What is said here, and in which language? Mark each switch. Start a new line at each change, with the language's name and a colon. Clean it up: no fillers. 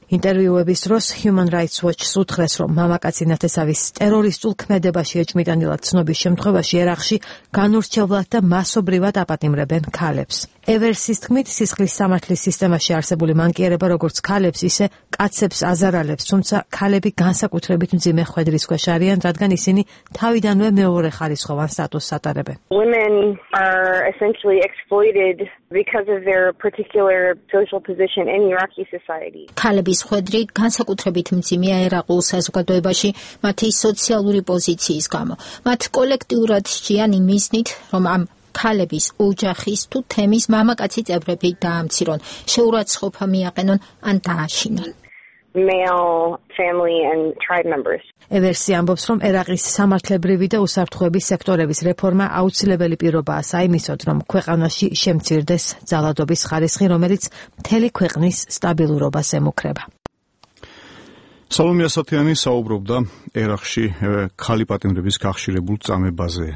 Georgian: ინტერვიუების დროს Human Rights Watch-ს უთხრეს, რომ მამაკაცი ნათესავის ტერორისტულ ქმედებაში ეჭმიტანილად ცნობის შემთხვევაში ერაყში განურჩევლად და მასობრივად აპატიმრებენ ქალებს. ევერსის თქმით, სისხლის სამართლის სისტემაში არსებული მანკიერება როგორც ქალებს, ისე კაცებს აზარალებს, თუმცა ქალები განსაკუთრებით მძიმე ხვედრის ქვეშ არიან, რადგან ისინი თავიდანვე მეორე ხარისხოვან სტატუსს ატარებენ.
English: Women are essentially exploited because of their particular social position in Iraqi society.
Georgian: ქალების ხვედრი განსაკუთრებით მძიმეა ერაყულ საზოგადოებაში მათი სოციალური პოზიციის გამო. მათ კოლექტიურად შეიან იმისნით, რომ ამ ქალების ოჯახის თუ თემის მამაკაცი წევრები დაამცირონ, შეურაცხყოფა მიაყენონ ან დააშინონ.
English: Male family and tribe members.
Georgian: ევერსი ამბობს, რომ ერაყის სამართლებრივი და უსაფრთხოების სექტორების რეფორმა აუცილებელი პირობაა საიმისოდ, რომ ქვეყანაში შემცირდეს ძალადობის ხარისხი, რომელიც მთელი ქვეყნის სტაბილურობას ემუქრება. სალომე ასათიანი საუბრობდა ერაყში ქალი პატიმრების გახშირებულ წამებაზე.